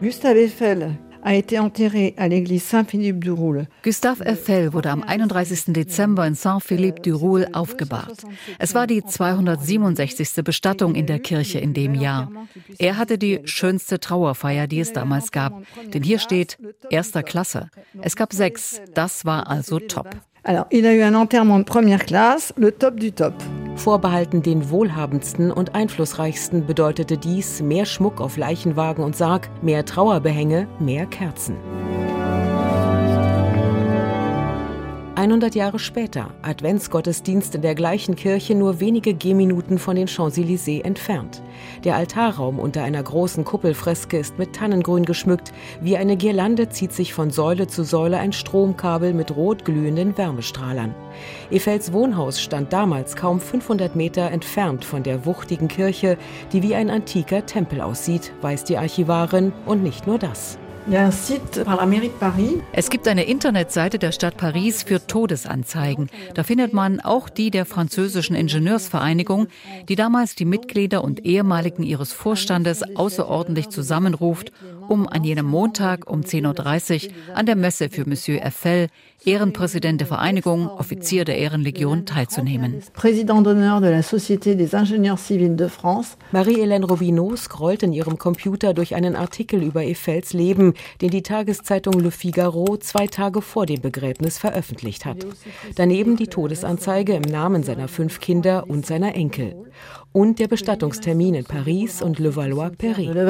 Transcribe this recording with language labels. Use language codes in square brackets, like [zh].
[de] Gustav Eiffel. Gustav Eiffel wurde am 31. Dezember in Saint-Philippe du Roule aufgebahrt. Es war die 267. Bestattung in der Kirche in dem Jahr. Er hatte die schönste Trauerfeier, die es damals gab. Denn hier steht, erster Klasse. Es gab 6, das war also top. [fr] Il a eu un enterrement de première classe, le top du top. [de] Vorbehalten den wohlhabendsten und einflussreichsten bedeutete dies mehr Schmuck auf Leichenwagen und Sarg, mehr Trauerbehänge, mehr Kerzen. 100 Jahre später, Adventsgottesdienst in der gleichen Kirche, nur wenige Gehminuten von den Champs-Élysées entfernt. Der Altarraum unter einer großen Kuppelfreske ist mit Tannengrün geschmückt. Wie eine Girlande zieht sich von Säule zu Säule ein Stromkabel mit rot glühenden Wärmestrahlern. Eiffels Wohnhaus stand damals kaum 500 Meter entfernt von der wuchtigen Kirche, die wie ein antiker Tempel aussieht, weiß die Archivarin, und nicht nur das. Es gibt eine Internetseite der Stadt Paris für Todesanzeigen. Da findet man auch die der französischen Ingenieursvereinigung, die damals die Mitglieder und Ehemaligen ihres Vorstandes außerordentlich zusammenruft, um an jenem Montag um 10.30 Uhr an der Messe für Monsieur Eiffel, Ehrenpräsident der Vereinigung, Offizier der Ehrenlegion, teilzunehmen. [fr] Président d'honneur de la Société des Ingénieurs Civils de France. [de] Marie-Hélène Robineau scrollt in ihrem Computer durch einen Artikel über Eiffels Leben, den die Tageszeitung Le Figaro 2 Tage vor dem Begräbnis veröffentlicht hat. Daneben die Todesanzeige im Namen seiner 5 Kinder und seiner Enkel. Und der Bestattungstermin in Paris und Levallois-Perret.